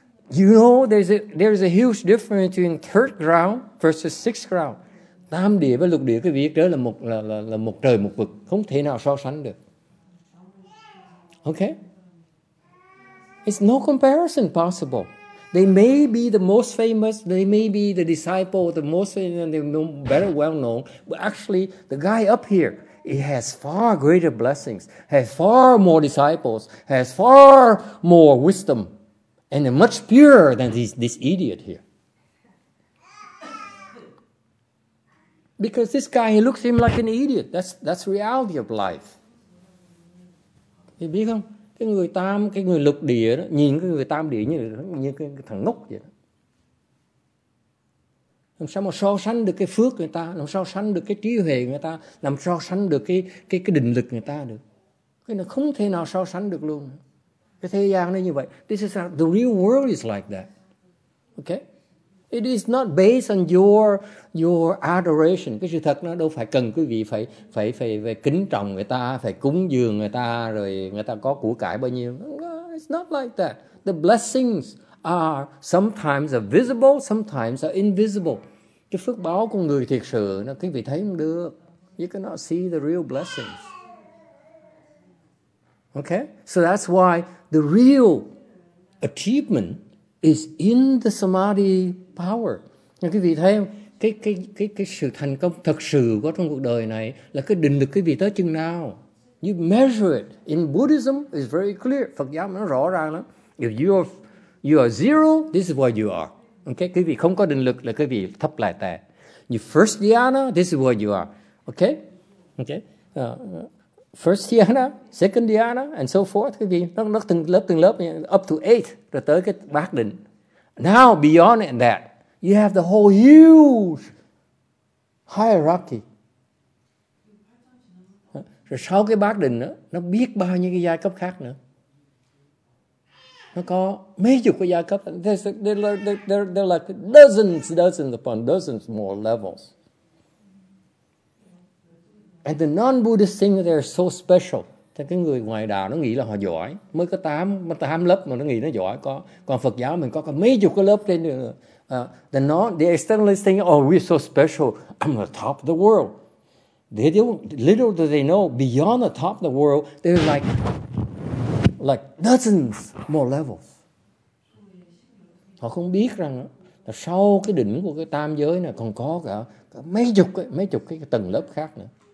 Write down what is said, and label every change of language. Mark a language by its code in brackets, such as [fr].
[en] You know, there's a huge difference between third ground versus sixth ground. [vi] Tam địa với lục địa, cái việc đó là một trời một vực, không thể nào so sánh được. [en] Okay? It's no comparison possible. They may be the most famous, they may be the disciple, the most famous, the better well known, but actually the guy up here, he has far greater blessings, has far more disciples, has far more wisdom, and much purer than this idiot here. Because this guy, he looks at him like an idiot. That's reality of life. [vi] You biết không? Cái người tam, cái người lục địa đó, nhìn cái người tam địa như cái thằng ngốc vậy đó. Làm sao mà so sánh được cái phước người ta, làm sao so sánh được cái trí huệ người ta, làm sao so sánh được cái định lực người ta được. Cái này không thể nào so sánh được luôn. Cái thế gian nó như vậy. [en] This is how the real world is like that. Okay? It is not based on your adoration. [vi] Cái sự thật nó đâu phải cần quý vị phải kính trọng người ta, phải cúng dường người ta, rồi người ta có của cải bao nhiêu. [en] No, it's not like that. The blessings are sometimes are visible, sometimes are invisible. [vi] Cái phước báo của người thiệt sự nó quý vị thấy không được. [en] You cannot see the real blessings. Okay? So that's why the real achievement is in the samadhi power. [vi] Nên quý vị thấy không? Cái sự thành công thật sự có trong cuộc đời này là cái định lực cái vị tới chừng nào. [en] You measure it. In Buddhism, it's very clear. [vi] Phật giáo nó rõ ràng lắm. [en] If you are zero, this is what you are. Okay? [vi] Cái vị không có định lực là cái vị thấp lại tè. [en] You first dhyana, this is what you are. Okay? Okay? First dhyana, second dhyana, and so forth. [vi] Cái vị nó từng lớp, [en] up to eight, [vi] rồi tới cái bát định. [en] Now, beyond that, you have the whole huge hierarchy. [vi] Rồi sau cái bát định đó, nó biết bao nhiêu cái giai cấp khác nữa. Nó có mấy chục cái giai cấp. [en] There are like dozens upon dozens more levels. And the non-Buddhist thing, they're so special. [vi] Thế cái người ngoài đạo nó nghĩ là họ giỏi. Mới có 8 lớp mà nó nghĩ nó giỏi. Còn Phật giáo mình có mấy chục cái lớp trên nữa. [en] The external is thinking, oh, we're so special, I'm the top of the world. Little do they know, beyond the top of the world, there's like dozens more levels. [vi] Họ không biết rằng là sau cái đỉnh của cái tam giới này còn có cả mấy chục cái tầng lớp khác nữa.